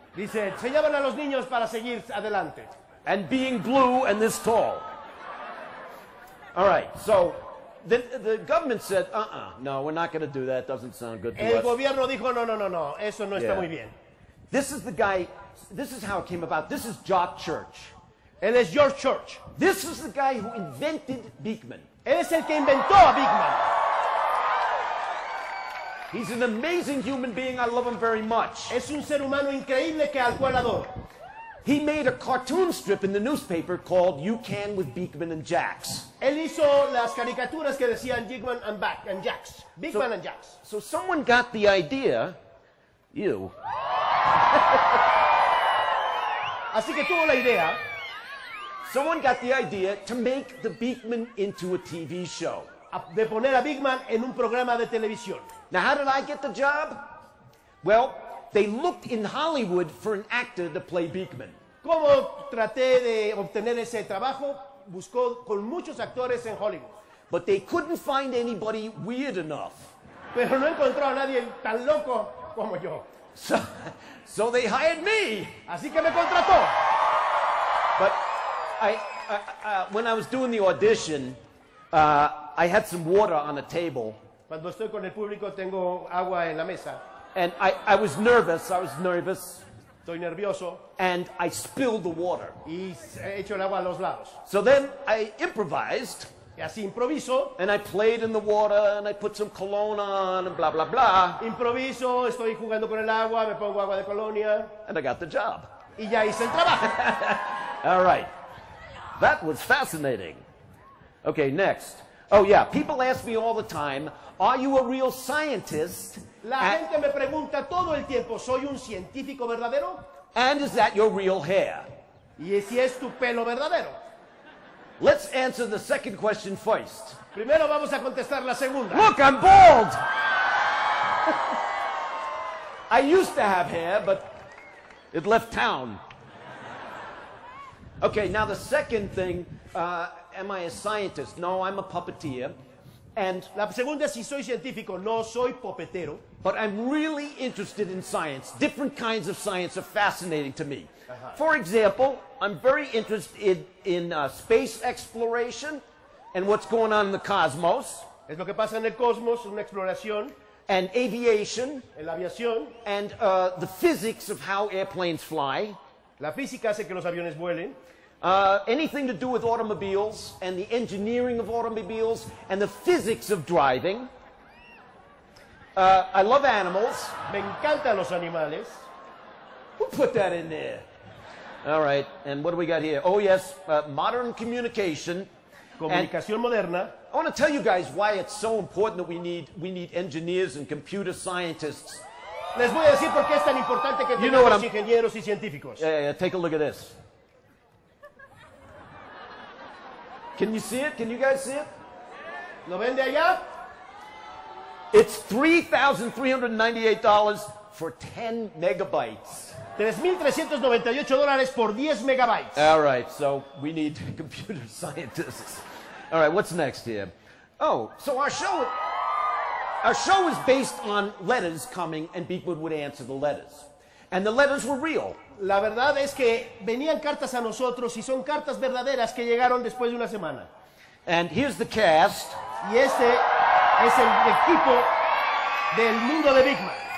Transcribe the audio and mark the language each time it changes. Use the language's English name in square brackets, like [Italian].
[Spanish] Dice, enseñaban a los niños para seguir adelante. [English] And being blue and this tall. All right, so the government said, no, we're not going to do that. Doesn't sound good to [Spanish] us. El gobierno dijo, no, eso no está muy bien. [English] This is the guy, this is how it came about. This is Jock Church. [Spanish] Él es George Church. [English] This is the guy who invented Beakman. [Spanish] Él es el que inventó a Beakman. [English] He's an amazing human being. I love him very much. [Spanish] Es un ser humano increíble que al cual adoro. [English] He made a cartoon strip in the newspaper called You Can with Beakman and Jax. [Spanish] Él hizo las caricaturas que decían Beakman and Back and Jax. Beakman and Jax. [English] So someone got the idea. You. [Spanish] Así que tuvo la idea. [English] Someone got the idea to make the Beakman into a TV show. [Spanish] De poner a Beakman en un programa de televisión. [English] Now, how did I get the job? Well, they looked in Hollywood for an actor to play Beakman. [Spanish] ¿Cómo traté de obtener ese trabajo? Buscó con muchos actores en Hollywood. [English] But they couldn't find anybody weird enough. [Spanish] Pero no encontró a nadie tan loco como yo. [English] So they hired me. [Spanish] Así que me contrató. [English] But when I was doing the audition, I had some water on the table. [Spanish] Cuando estoy con el público, tengo agua en la mesa. [English] And I was nervous. [Spanish] Estoy nervioso. [English] And I spilled the water. [Spanish] Y he hecho el agua a los lados. [English] So then I improvised. [Spanish] Y así improviso. [English] And I played in the water and I put some cologne on and blah, blah, blah. [Spanish] Improviso, estoy jugando con el agua, me pongo agua de colonia. [English] And I got the job. [Spanish] Y ya hice el trabajo. [English] All right. That was fascinating. Okay, next. Oh, yeah, people ask me all the time, are you a real scientist? [Spanish] La gente me pregunta todo el tiempo, ¿soy un científico verdadero? [English] And is that your real hair? [Spanish] ¿Y si es tu pelo verdadero? [English] Let's answer the second question first. [Spanish] Primero vamos a contestar la segunda. [English] Look, I'm bald! I used to have hair, but it left town. Okay, now the second thing... Am I a scientist? No, I'm a puppeteer. And [Spanish] la segunda es si soy científico. No, soy puppetero. [English] But I'm really interested in science. Different kinds of science are fascinating to me. Uh-huh. For example, I'm very interested in space exploration and what's going on in the cosmos. [Spanish] Es lo que pasa en el cosmos, una exploración. [English] And aviation. [Spanish] En la aviación. [English] And the physics of how airplanes fly. [Spanish] La física hace que los aviones vuelen. [English] Anything to do with automobiles and the engineering of automobiles and the physics of driving. I love animals. [Spanish] Me encantan los animales. [English] Who put that in there? All right, and what do we got here? Oh, yes, modern communication. [Spanish] Comunicación and moderna. [English] I want to tell you guys why it's so important that we need engineers and computer scientists. [Spanish] Les voy a decir por qué es tan importante que tengamos ingenieros y científicos. [English] Yeah, take a look at this. Can you see it? Can you guys see it? [Spanish] ¿Lo ven de allá? [English] It's $3,398 for 10 megabytes. [Spanish] $3,398 por 10 megabytes. [English] All right, so we need computer scientists. All right, what's next here? Oh, so our show is based on letters coming and Beakman would answer the letters. And the letters were real. [Spanish] La verdad es que venían cartas a nosotros y son cartas verdaderas que llegaron después de una semana. [English] And here's the cast. [Spanish] Y este es el equipo del mundo de Beakman.